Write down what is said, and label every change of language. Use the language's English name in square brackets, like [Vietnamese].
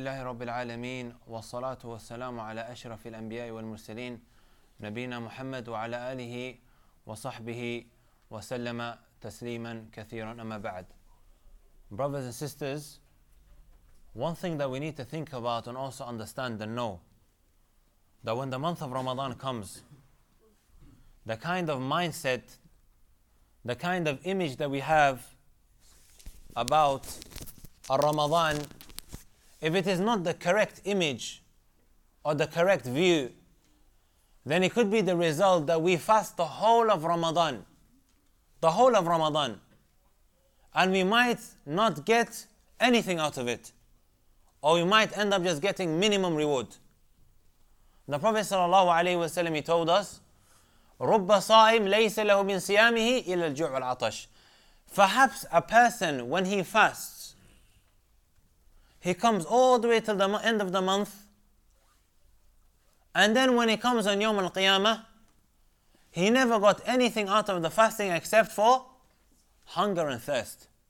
[Arabic] الله رب العالمين والصلاة والسلام على أشرف الأنبياء والمرسلين نبينا محمد وعلى آله وصحبه وسلم تسليما كثيرا أما بعد. [English] Brothers and sisters, one thing that we need to think about and also understand and know that when the month of Ramadan comes, the kind of mindset, the kind of image that we have about Ramadan, if it is not the correct image or the correct view, then it could be the result that we fast the whole of Ramadan. The whole of Ramadan. And we might not get anything out of it. Or we might end up just getting minimum reward. The Prophet sallallahu alaihi wasallam, he told us, [Arabic] رُبَّ صَائِمْ لَيْسَ لَهُ مِنْ صِيَامِهِ إِلَّا الْجُوعُ وَالْعَطَشُ. [English] Perhaps a person, when he fasts, he comes all the way till the end of the month. And then when he comes on Yawm Al-Qiyamah, he never got anything out of the fasting except for hunger and thirst.